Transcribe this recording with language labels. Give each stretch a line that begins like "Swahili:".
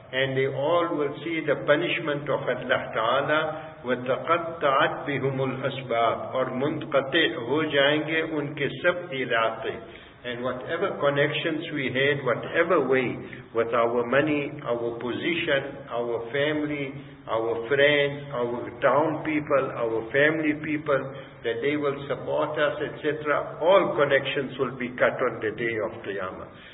English: And they all will see the punishment of Allah Ta'ala.
Arabic: وَتَقَطَّعَتْ بِهُمُ الْأَسْبَابِ
Urdu: اور منقطع ہو جائیں گے ان کے سب علاقے.
English: And whatever connections we had, whatever way, with our money, our position, our family, our friends, our town people, our family people, that they will support us, etc., all connections will be cut on the day of Qiyamah.